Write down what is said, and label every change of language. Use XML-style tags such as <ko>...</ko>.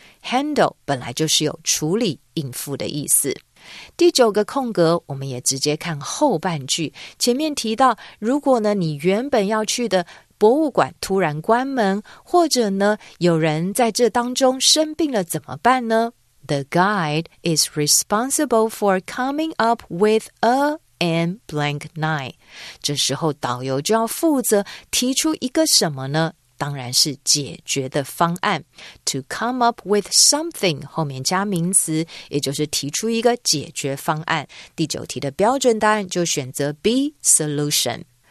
<zh>Handle 本来就是有处理应付的意思。第九个空格我们也直接看后半句，前面提到如果呢你原本要去的博物馆突然关门，或者呢有人在这当中生病了怎么办呢？</zh> <en>The guide is responsible for coming up with a and blank nine.</en> <zh>这时候导游就要负责提出一个什么呢？当然是解决的方案。</zh> <en>To come up with something</en> <zh>后面加名词，也就是提出一个解决方案。第九题的标准答案就选择 B solution。</zh>